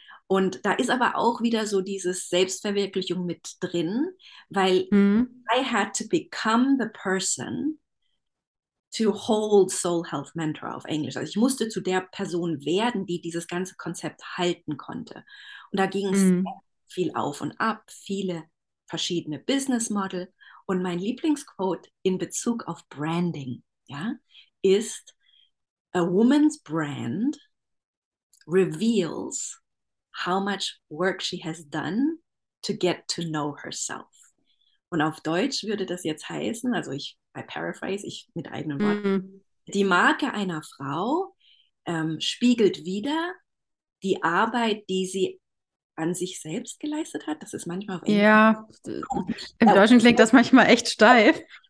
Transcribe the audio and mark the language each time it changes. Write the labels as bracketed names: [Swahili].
[German] Und da ist aber auch wieder so dieses Selbstverwirklichung mit drin, weil [English] I had to become the person to hold [German] Soul Health Mentor auf Englisch. Also ich musste zu der Person werden, die dieses ganze Konzept halten konnte. Und da ging es viel auf und ab, viele verschiedene Business Model. Und mein Lieblingsquote in Bezug auf Branding, ja, ist: [English] A woman's brand reveals how much work she has done to get to know herself. [German] Und auf Deutsch würde das jetzt heißen, also [English] I paraphrase [German] mit eigenen Worten, die Marke einer Frau spiegelt wieder die Arbeit, die sie an sich selbst geleistet hat. Das ist manchmal auf Englisch. Ja, im Deutschen klingt das manchmal echt steif.